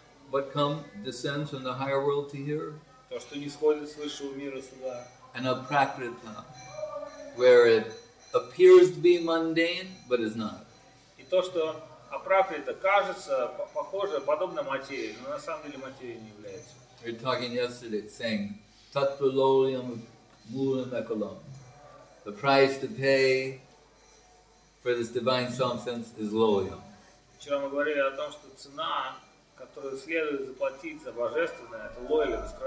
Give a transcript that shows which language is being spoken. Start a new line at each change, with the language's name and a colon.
English: what come descends from the higher world to here?
Russian: То, что не сходит с высшего мира сюда.
English: And a prakriti, where it appears to be mundane, but is not.
Russian: И то, что апракрита кажется похоже подобно материи, но на самом деле материи не является.
English: We were talking yesterday, saying,
Sanskrit: Tatvalolyam Mulam Ekalam.
English: The price to pay for this divine substance is Lolyam.
Russian: Вчера мы говорили о том, что цена, которую следует заплатить за божественное, это Лолиум.